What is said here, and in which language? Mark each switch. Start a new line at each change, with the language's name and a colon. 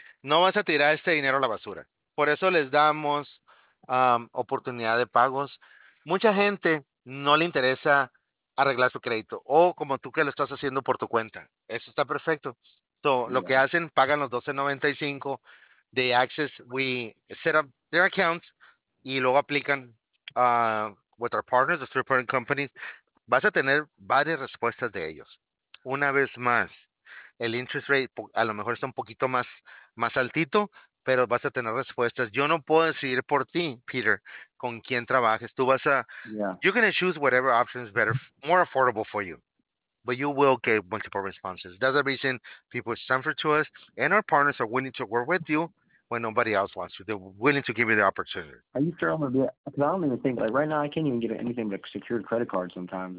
Spanish: No vas a tirar este dinero a la basura. Por eso les damos oportunidad de pagos. Mucha gente no le interesa arreglar su crédito o como tú que lo estás haciendo por tu cuenta. Eso está perfecto. Entonces, lo que hacen, pagan los $12.95 de Access.
English: We set up their accounts
Spanish: y luego aplican
English: with our partners, the third party companies.
Spanish: Vas a tener varias respuestas de ellos. Una vez más, el interest rate a lo mejor está un poquito más altito, pero vas a tener respuestas. Yo no puedo decidir por ti, Peter, con quién trabajes. Tú vas a,
English: you're going to choose whatever option is better, more affordable for you. But you will get multiple responses. That's the reason people transfer to us and our partners are willing to work with you when nobody else wants to. They're willing to give you the opportunity. Are you sure I'm gonna be? Because I don't even think, like, right now I can't even get anything but a secured credit card sometimes.